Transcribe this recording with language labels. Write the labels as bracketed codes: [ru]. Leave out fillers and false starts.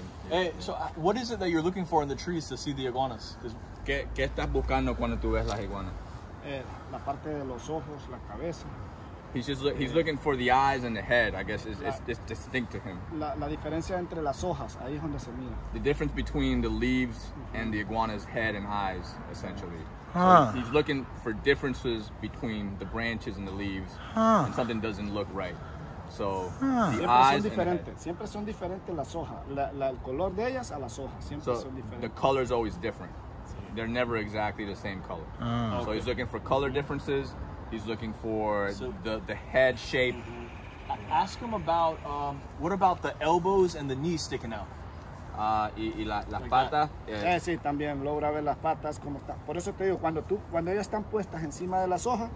[en] Hey, so what is it that you're looking for in the trees to see the iguanas? [es] ¿Qué estás buscando cuando tú ves las iguanas? La parte de los ojos, la cabeza. [en] He's looking for the eyes and the head, I guess, it's distinct to him. [es] La diferencia entre las hojas, ahí es donde se mira. [en] The difference between the leaves and the iguana's head and eyes, essentially. Huh. So he's looking for differences between the branches and the leaves, huh. And something doesn't look right. So, huh. The eyes [es] son diferente. [en] And the head. [es] Siempre son diferentes las hojas. El color de ellas a las hojas, siempre son diferentes. [en] The color's always different. Sí. They're never exactly the same color. So okay. He's looking for color differences. He's looking for the head shape. Mm-hmm. Ask him about what about the elbows and the knees sticking out? [es] Y las patas. Yeah. Sí, también logra ver las patas como está. Por eso te digo cuando ellas están puestas encima de las hojas,